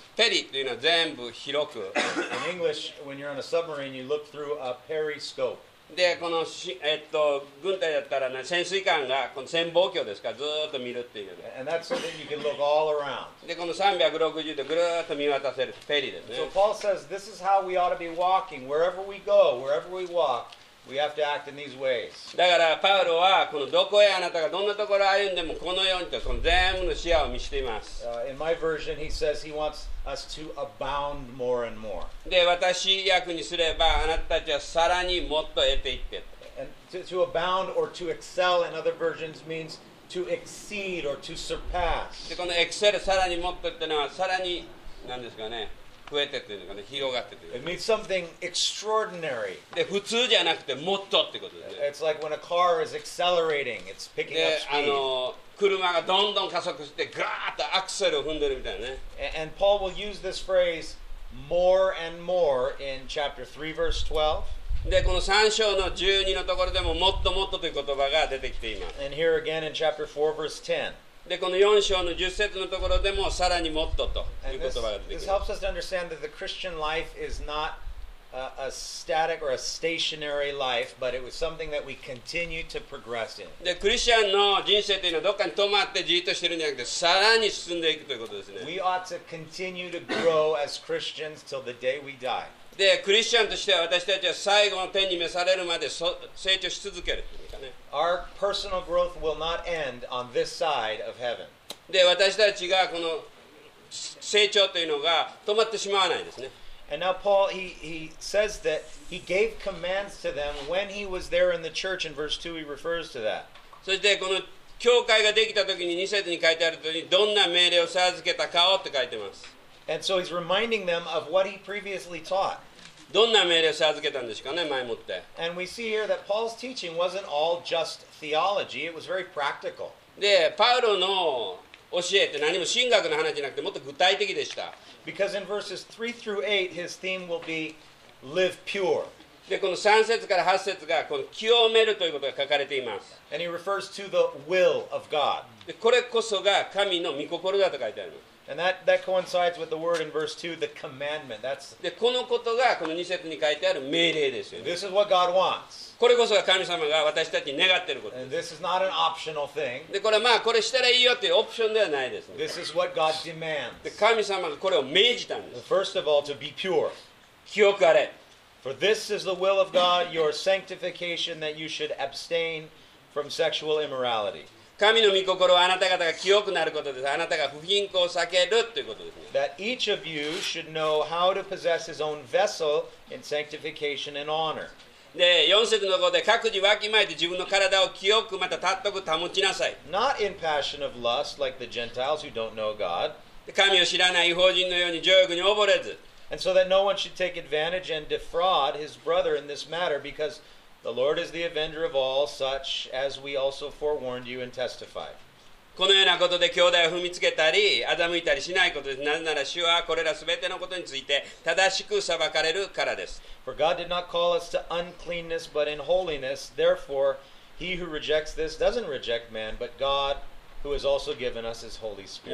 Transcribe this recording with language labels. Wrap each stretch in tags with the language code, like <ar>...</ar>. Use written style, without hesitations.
<ja>ペリというのは全部広く。</ja> <en>In English, when you're on a submarine, you look through a periscope.</en> <ja>でこの軍隊だったら、ね、潜水艦がこの潜望鏡ですからずっと見るっていう、ね、</ja> <en>And that's so that you can look all around.</en> <ja>でこの360度ぐるっと見渡せるペリですね。</ja> <en>So Paul says this is how we ought to be walking. Wherever we go, wherever we walk,We have to act in these ways.</en> <ja>だからパウロはこのどこへあなたがどんなところ歩んでもこのようにとその全部の視野を見せています。</ja> <en>In my version, he says he wants us to abound more and more.</en> <ja>で私訳にすればあなたたちはさらにもっと得ていって。</ja> <en>And to abound or to excel in other versions means to exceed or to surpass.</en> <ja>でこの excel さらにもっとってのはさらに何ですかね。増えてっていうのかね、広がってっていうか。</ja> <en>It means something extraordinary.</en> <ja>で、普通じゃなくて、もっとってことだね。</ja> <en>It's like when a car is accelerating, it's picking up speed.</en> <ja>で、車がどんどん加速して、ガーッとアクセルを踏んでるみたいなね。</ja> <en>And Paul will use this phrase more and more in chapter 3, verse 12.</en> <ja>で、この3章の12のところでも、もっともっとという言葉が出てきています。</ja> <en>And here again in chapter 4, verse 10.</en> <ja>でこの4章の10節のところでもさらにもっとという言葉が出てきます。</ja> <en>This helps us to understand that the Christian life is not a static or a stationary life, but it was something that we continue to progress in.</en> <ja>でクリスチャンの人生というのはどっかに止まってじっとしてるんじゃなくてさらに進んでいくということですね。</ja> <en>We ought to continue to grow as Christians till the day we die.</en> <ja>でクリスチャンとしては私たちは最後の天に召されるまで成長し続ける。</ja> <en>Our personal growth will not end on this side of heaven.</en> <ja>で、私たちがこの成長というのが止まってしまわないですね。</ja> <en>And now Paul, he says that he gave commands to them when he was there in the church. In verse 2, he refers to that.</en> <ja>そしてこの教会ができた時に2節に書いてあるとおり、どんな命令を授けたかをって書いてます。</ja> <en>And so he's reminding them of what he previously taught.</en> <ja>どんな命令を授けたんですかね、前もって。</ja> <en>And we see here that Paul's teaching wasn't all just theology, it was very practical.</en> <ja>で、パウロの教えって何も神学の話じゃなくて、もっと具体的でした。</ja> <en>Because in verses 3 through 8, his theme will be live pure.</en> <ja>で、この3節から8節が、この清めるということが書かれています。</ja> <en>And he refers to the will of God.</en> <ja>で、これこそが神の御心だと書いてあります。</ja> <en>And that coincides with the word in verse 2, the commandment. That's...</en> <ja>で、このことがこの2節に書いてある命令ですよね。</ja> <en>This is what God wants.</en> <ja>これこそが神様が私たちに願っていることです。</ja> <en>And this is not an optional thing.</en> <ja>で、これはまあこれしたらいいよっていうオプションではないですね。</ja> <en>This is what God demands.</en> <ja>で、神様がこれを命じたんです。</ja> <en>First of all, to be pure.</en> <ja>清くあれ。</ja> <en>For this is the will of God, your sanctification, that you should abstain from sexual immorality.</en> <ja>神の御心はあなた方が清くなることです。あなたが不貧困を避けるということですね。</ja> <en>That each of you should know how to possess his own vessel in sanctification and honor.</en> <ja>で、四節のところで各自わきまえて自分の体を清くまた尊く保ちなさい。</ja> <en>Not in passion of lust like the Gentiles who don't know God.</en> <ja>神を知らない異邦人のように情欲に溺れず。</ja> <en>And so that no one should take advantage and defraud his brother in this matter because... The Lord is the avenger of all such as we also forewarned you and testified.</en> <ja>このようなことで兄弟を踏みつけたり、欺いたりしないことです。なぜなら主はこれらすべてのことについて正しく裁かれるからです。</ja> <en>For God did not call us to uncleanness but in holiness. Therefore, he who rejects this doesn't reject man but God who has also given us his Holy Spirit.</en>